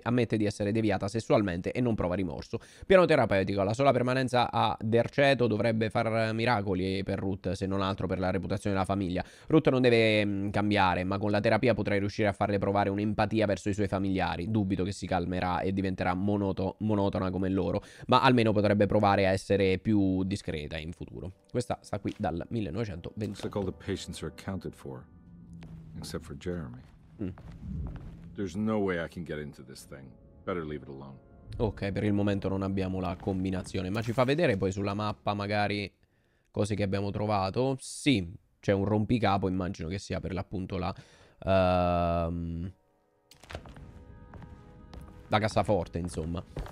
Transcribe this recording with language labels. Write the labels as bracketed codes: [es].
[it] Ammette di essere deviata sessualmente e non prova rimorso. Piano terapeutico, la sola permanenza a Derceto dovrebbe far miracoli per Ruth, se non altro per la reputazione della famiglia. Ruth non deve cambiare, ma con la terapia potrei riuscire a farle provare un'empatia verso i suoi familiari. Dubito che si calmerà e diventerà monotona come loro, ma almeno potrebbe provare a essere più discreta in futuro. Questa sta qui dal 1928. [en] Like all the patients are accounted for, except for Jeremy. There's no way I can get into this thing. Better leave it alone. [it] Ok, per il momento non abbiamo la combinazione, ma ci fa vedere poi sulla mappa magari cose che abbiamo trovato. Sì, c'è un rompicapo, immagino che sia per l'appunto la cassaforte, insomma.